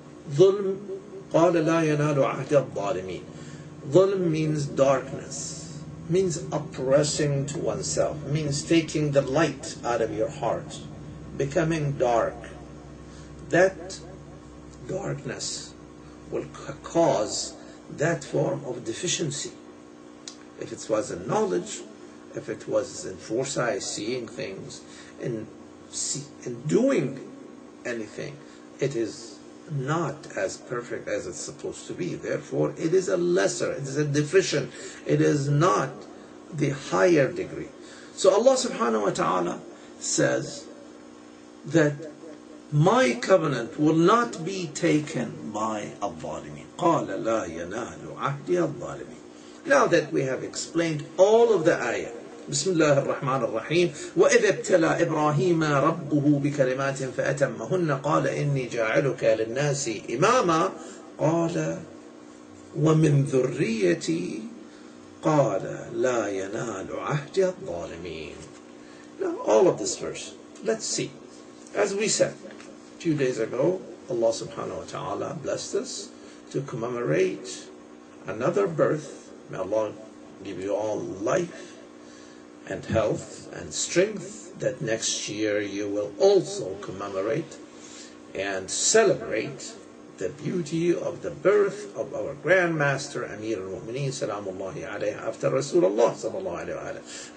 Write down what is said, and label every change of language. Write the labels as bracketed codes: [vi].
[ar] ظلم, قال لا ينال عهد الظالمين. [en] ظلم means darkness, means oppressing to oneself, means taking the light out of your heart, becoming dark. That darkness will cause that form of deficiency. If it was in knowledge, if it was in foresight, seeing things, and doing anything, it is not as perfect as it's supposed to be. Therefore, it is a lesser, it is a deficient, it is not the higher degree. So Allah subhanahu wa ta'ala says that my covenant will not be taken by a zalimin. [ar] قَالَ لَا يَنَالُ عَهْدِيَ الظَّالِمِينَ. [en] Now that we have explained all of the ayah, [ar] بسم الله الرحمن الرحيم وإذ ابتلى إبراهيم ربه بكلمات فأتمهن قال إني جاعلك للناس إماما قال ومن ذريتي قال لا ينال عهد الظالمين. [en] Now all of this verse, let's see. As we said a few days ago, Allah subhanahu wa ta'ala blessed us to commemorate another birth. May Allah give you all life and health and strength, that next year you will also commemorate and celebrate the beauty of the birth of our grandmaster Amir al-Mu'mineen salamullahi alayhi after Rasulullah sallallahu alayhi wa alayhi.